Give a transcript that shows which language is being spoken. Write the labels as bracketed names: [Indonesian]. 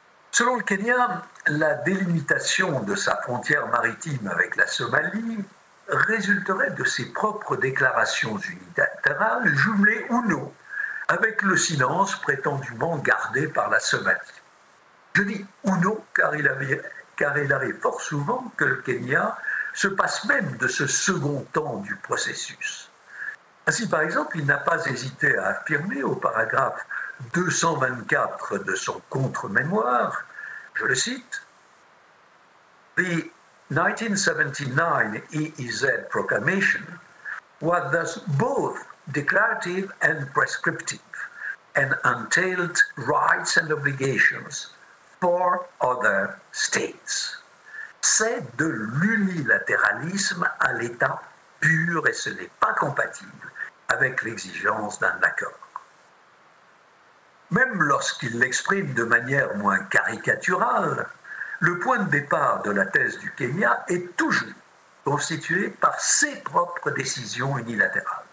[French] Selon le Kenya, la délimitation de sa frontière maritime avec la Somalie résulterait de ses propres déclarations unilatérales, jumelées ou non, avec le silence prétendument gardé par la Somalie. Je dis « ou non » car il arrive fort souvent que le Kenya se passe même de ce second temps du processus. Ainsi, par exemple, il n'a pas hésité à affirmer au paragraphe [English] 224 [French] de son contre-mémoire, je le cite, [English] The 1979 EEZ proclamation was thus both declarative and prescriptive and entailed rights and obligations for other states. [French] C'est de l'unilatéralisme à l'état pur et ce n'est pas compatible avec l'exigence d'un accord. Même lorsqu'il l'exprime de manière moins caricaturale, le point de départ de la thèse du Kenya est toujours constitué par ses propres décisions unilatérales.